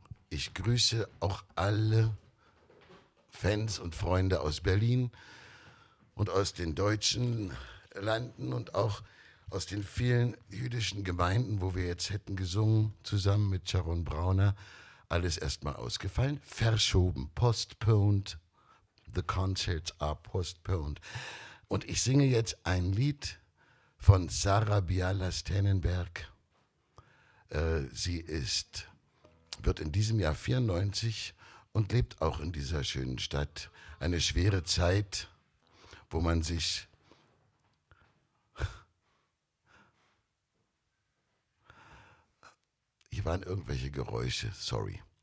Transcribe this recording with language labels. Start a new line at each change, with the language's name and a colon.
German: Ich grüße auch alle Fans und Freunde aus Berlin und aus den deutschen Landen und auch aus den vielen jüdischen Gemeinden, wo wir jetzt hätten gesungen, zusammen mit Sharon Brauner. Alles erstmal ausgefallen, verschoben, postponed.
English: The concerts are postponed.
German: Und ich singe jetzt ein Lied von Sarah Bialas-Tennenberg. Wird in diesem Jahr 94 und lebt auch in dieser schönen Stadt. Eine schwere Zeit, wo man sich hier waren irgendwelche Geräusche, sorry.